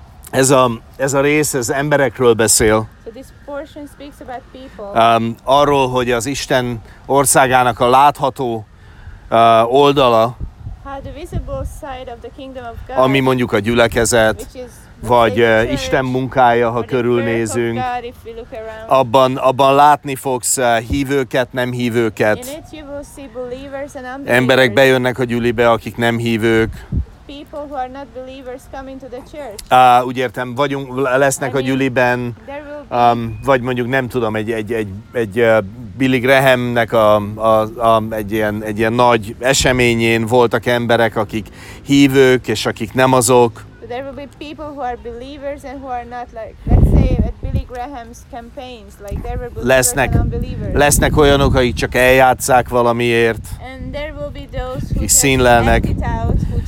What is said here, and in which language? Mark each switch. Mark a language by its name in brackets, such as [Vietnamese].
[Hungarian] Ez a rész, ez emberekről beszél. [English] So this portion speaks about people. [Hungarian] Arról, hogy az Isten országának a látható oldala, [English] how the visible side of the kingdom of God, [Hungarian] ami mondjuk a gyülekezet, vagy [English] church, [Hungarian] Isten munkája, ha körülnézünk, [English] God, if you look around, [Hungarian] abban látni fogsz hívőket, nem hívőket. [English] In it you will see believers and unbelievers. [Hungarian] Emberek bejönnek a gyülibe, akik nem hívők. [English] People who are not believers coming to the church. [Hungarian] Úgy értem, vagyunk lesznek a gyüliben, vagy mondjuk nem tudom egy Billy Grahamnek egy ilyen nagy eseményén voltak emberek, akik hívők és akik nem azok. [English] There will be people who are believers and who are not like, let's say at Billy Graham's campaigns, like there will be believers [Hungarian] lesznek, [English] and unbelievers. [Hungarian] Lesznek olyanok, akik csak eljátszák valamiért. [English] And there will be those who just act it out.